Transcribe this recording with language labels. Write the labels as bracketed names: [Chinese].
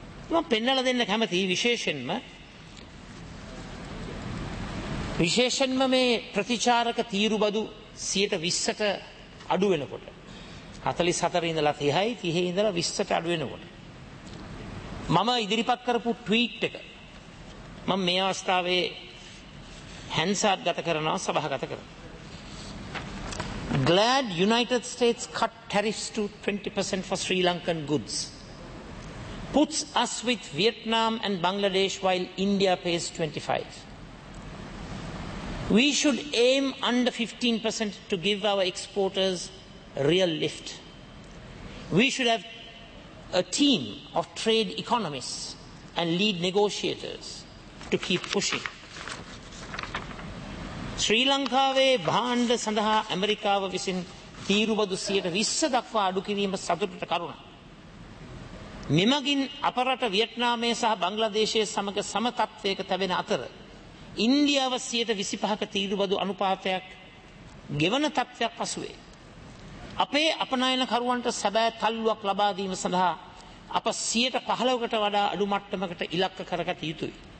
[Sinhala] මම පෙන්වලා දෙන්න කැමති විශේෂයෙන්ම මේ ප්‍රතිචාරක තීරුබදු 20%ට අඩු වෙනකොට 44 ඉඳලා 30යි 30 ඉඳලා 20%ට අඩු වෙනකොට මම ඉදිරිපත් කරපු ට්වීට් එක මම මේ අවස්ථාවේ හැන්සාත් ගත කරනවා සභාගත කරනවා. [English] Glad United States cut tariffs to 20% for Sri Lankan goods. Puts us with Vietnam and Bangladesh while India pays 25%. We should aim under 15% to give our exporters real lift. We should have a team of trade economists and lead negotiators to keep pushing. [Sinhala] ශ්‍රී ලංකාවේ භාණ්ඩ සඳහා ඇමරිකාව විසින් තීරුබදු 20% දක්වා අඩු කිරීම සතුටට කරුණ. මෙමගින් අප රට වියට්නාමයේ සහ බංග්ලාදේශයේ සමග සම තත්ත්වයක තැවෙන අතර ඉන්දියාව 25%ක තීරුබදු අනුපාතයක් ගෙවන තත්ත්වයක් පසුවේ අපේ අපනයන කරුවන්ට සැබෑ තල්ලුවක් ලබා දීම සඳහා අප 15%කට වඩා අඩු මට්ටමකට ඉලක්ක කරගත යුතුයි.